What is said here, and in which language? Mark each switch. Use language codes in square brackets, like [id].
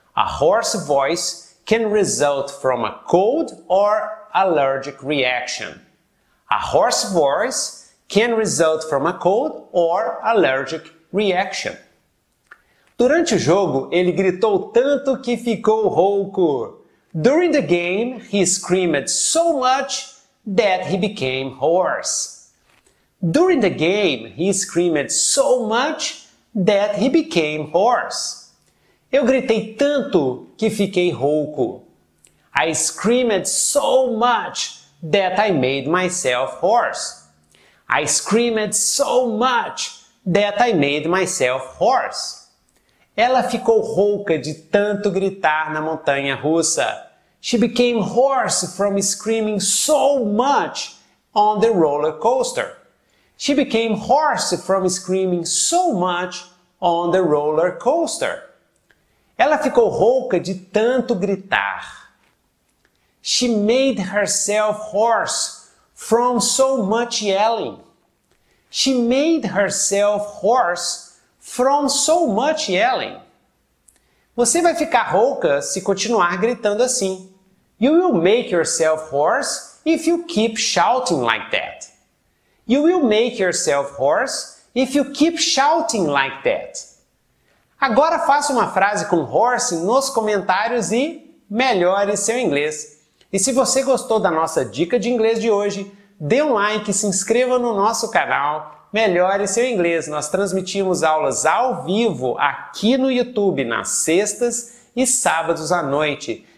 [en] A hoarse voice can result from a cold or allergic reaction. A hoarse voice can result from a cold or allergic reaction. [pt] Durante o jogo, ele gritou tanto que ficou rouco. [en] During the game, he screamed so much that he became hoarse. During the game, he screamed so much that he became hoarse. [pt] Eu gritei tanto que fiquei rouco. [en] I screamed so much that I made myself hoarse. I screamed so much that I made myself hoarse. [pt] Ela ficou rouca de tanto gritar na montanha russa. [en] She became hoarse from screaming so much on the roller coaster. She became hoarse from screaming so much on the roller coaster. [pt] Ela ficou rouca de tanto gritar. [en] She made herself hoarse from so much yelling. She made herself hoarse from so much yelling. [pt] Você vai ficar rouca se continuar gritando assim. [en] You will make yourself hoarse if you keep shouting like that. You will make yourself hoarse if you keep shouting like that. [pt] Agora faça uma frase com horse nos comentários e melhore seu inglês. E se você gostou da nossa dica de inglês de hoje, dê um like e se inscreva no nosso canal Melhore Seu Inglês. Nós transmitimos aulas ao vivo aqui no YouTube nas sextas e sábados à noite.